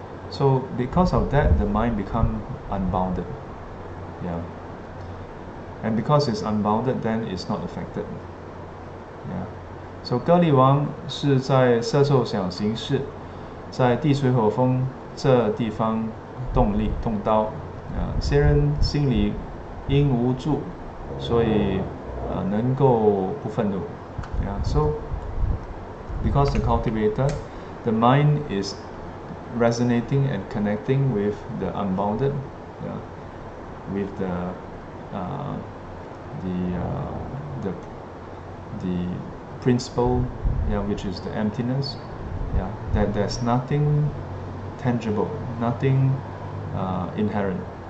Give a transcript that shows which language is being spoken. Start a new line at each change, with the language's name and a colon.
English: So because of that, the mind becomes unbounded, yeah. And because it's unbounded, then it's not affected. Yeah.
Chinese: So, 歌利王是在色受想行识，在地水火风这地方动刀。仙人心里应无助，所以能够不愤怒.
English: Yeah. So, because the cultivator, the mind is resonating and connecting with the unbounded, yeah, with the principle, yeah, which is the emptiness, yeah, that there's nothing tangible, nothing inherent.